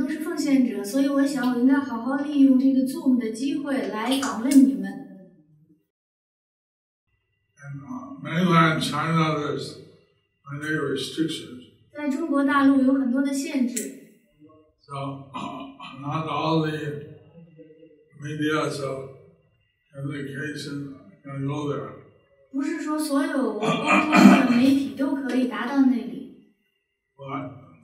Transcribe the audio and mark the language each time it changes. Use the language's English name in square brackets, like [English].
[Chinese] 既然你们都是奉献者，所以我想我应该好好利用这个 Zoom 的机会来访问你们。And [English] mainland China, there's many restrictions. [Chinese] 在中国大陆有很多的限制。So [English] not all the media communication can go there. [Chinese] 不是说所有我沟通的媒体都可以达到那里。What?